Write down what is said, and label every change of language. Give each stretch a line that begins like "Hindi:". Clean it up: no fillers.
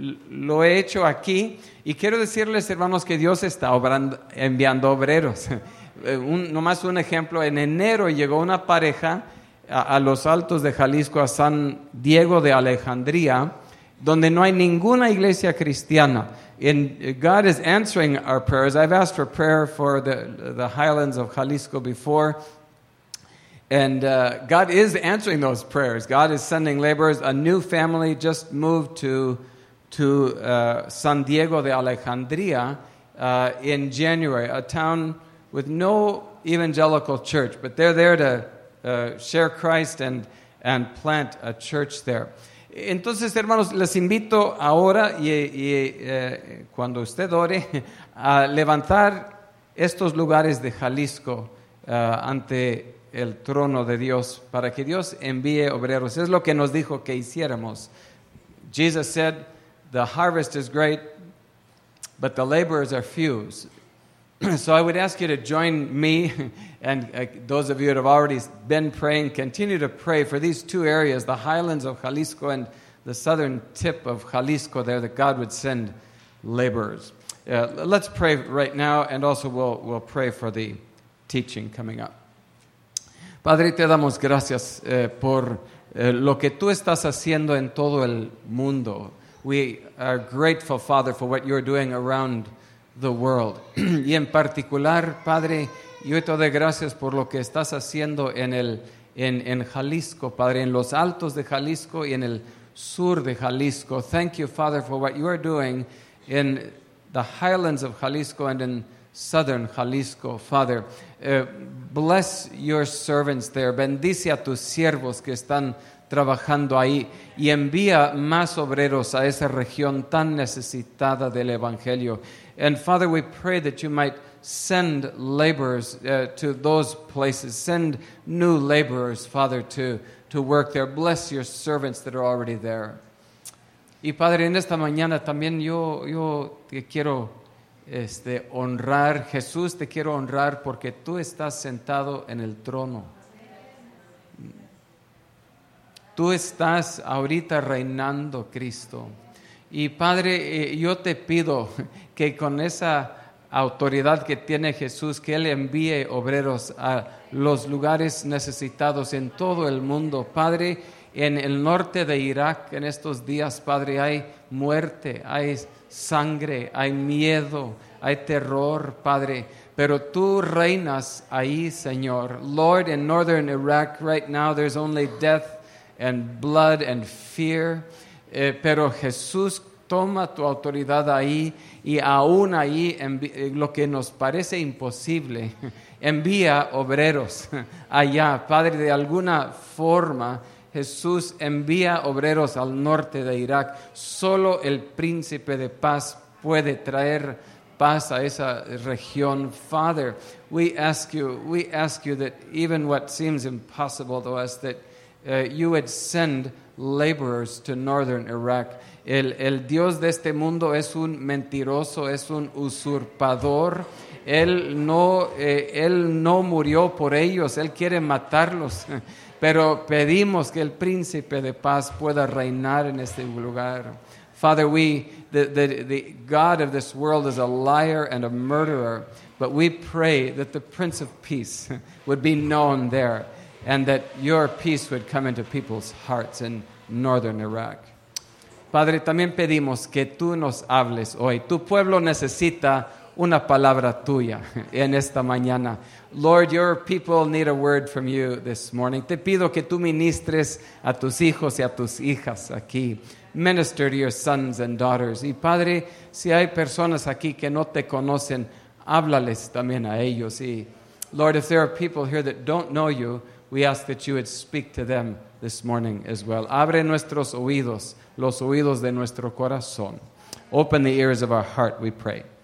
Spanish: Lo he hecho aquí, y quiero decirles, hermanos, que Dios está enviando obreros. Nomás un ejemplo: en enero llegó una pareja a los Altos de Jalisco, a San Diego de Alejandría, donde no hay ninguna iglesia cristiana.
English: And God is answering our prayers. I've asked for prayer for the highlands of Jalisco before. And God is answering those prayers. God is sending laborers. A new family just moved to San Diego de Alejandría in January, a town with no evangelical church. But they're there to share Christ and plant a church there.
Spanish: Entonces, hermanos, les invito ahora y cuando usted ore, a levantar estos lugares de Jalisco ante el trono de Dios, para que Dios envíe obreros. Es lo que nos dijo que hiciéramos.
English: Jesus said, the harvest is great, but the laborers are few. So I would ask you to join me, and those of you that have already been praying, continue to pray for these two areas, the highlands of Jalisco and the southern tip of Jalisco there, that God would send laborers. Let's pray right now, and also we'll pray for the teaching coming up.
Spanish: Padre, te damos gracias por lo que tú estás haciendo en todo el mundo.
English: We are grateful, Father, for what you're doing around the world.
Spanish: Y en particular, Padre, yo te doy gracias por lo que estás haciendo en Jalisco, Padre, en los altos de Jalisco y en el sur de Jalisco.
English: Thank you, Father, for what you are doing in the highlands of Jalisco and in southern Jalisco, Father. Bless your servants there.
Spanish: Bendice a tus siervos que están trabajando ahí y envía más obreros a esa región tan necesitada del Evangelio.
English: And Father, we pray that you might send laborers to those places. Send new laborers, Father, to work there. Bless your servants that are already there.
Spanish: Y Padre, en esta mañana también yo te quiero honrar. Jesús, te quiero honrar porque tú estás sentado en el trono. Tú estás ahorita reinando, Cristo. Y Padre, yo te pido que con esa autoridad que tiene Jesús, que Él envíe obreros a los lugares necesitados en todo el mundo. Padre, en el norte de Irak, en estos días, Padre, hay muerte, hay sangre, hay miedo, hay terror, Padre. Pero tú reinas ahí, Señor.
English: Lord, in northern Iraq right now, there's only death and blood and fear.
Spanish: Pero Jesús toma tu autoridad ahí y aún ahí, lo que nos parece imposible, envía obreros allá. Padre, de alguna forma, Jesús envía obreros al norte de Irak. Solo el príncipe de paz puede traer paz a esa región.
English: Father, we ask you that even what seems impossible to us, that you would send laborers to northern Iraq.
Spanish: El Dios de este mundo es un mentiroso, es un usurpador. Él no murió por ellos, él quiere matarlos. Pero pedimos que el príncipe de paz pueda reinar en este lugar.
English: Father, the God of this world is a liar and a murderer, but we pray that the Prince of Peace would be known there and that your peace would come into people's hearts in northern Iraq.
Spanish: Padre, también pedimos que tú nos hables hoy. Tu pueblo necesita una palabra tuya en esta mañana.
English: Lord, your people need a word from you this morning.
Spanish: Te pido que tú ministres a tus hijos y a tus hijas aquí.
English: Minister to your sons and daughters.
Spanish: Y Padre, si hay personas aquí que no te conocen, háblales también a ellos.
English: Y Lord, if there are people here that don't know you, we ask that you would speak to them this morning as well.
Spanish: Abre nuestros oídos, los oídos de nuestro corazón.
English: Open the ears of our heart, we pray.